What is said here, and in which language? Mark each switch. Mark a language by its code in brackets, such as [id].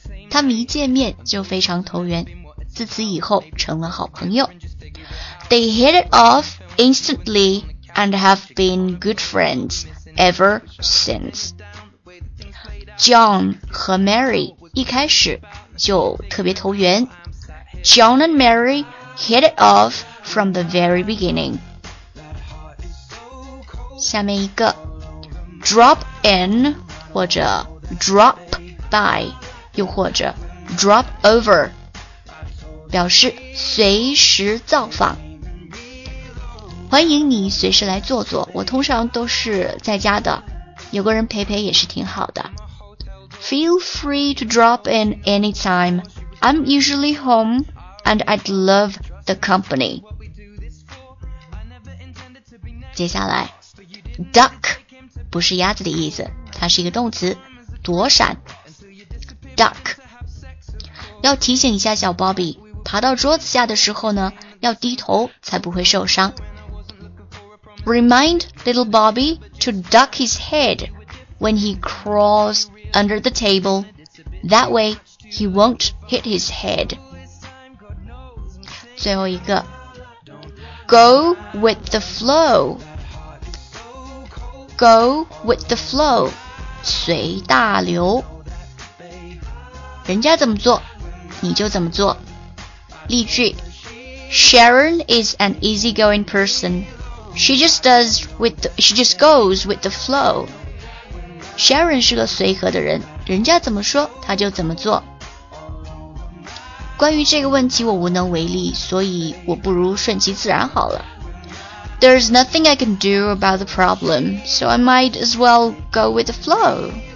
[zh] 他们一见面就非常投缘, 自此以后成了好朋友。 [en] They hit it off instantly and have been good friends ever since. [zh] John 和 Mary 一开始就特别投缘。 [en] John and Mary hit it off from the very beginning. [zh] 下面一个, drop in 或者 drop by 又或者 drop over 表示随时造访。欢迎你随时来坐坐, 我通常都是在家的, 有个人陪陪也是挺好的。 [en] Feel free to drop in anytime. I'm usually home and I'd love the company. [zh] 接下来, duck 不是鸭子的意思, 它是一个动词, 躲闪, duck. 要提醒一下小Bobby, 爬到桌子下的时候呢, 要低头才不会受伤。 [en] Remind little Bobby to duck his head when he crawls under the table. That way, he won't hit his head. [zh] 最后一个, [en] go with the flow. Go with the flow. [zh] 随大流。人家怎么做，你就怎么做。例句, [en] Sharon is an easygoing person. She just goes with the flow. [zh] Sharon 是个随和的人, 人家怎么说他就怎么做。关于这个问题我无能为力, 所以我不如顺其自然好了。 [en] There's nothing I can do about the problem, so I might as well go with the flow.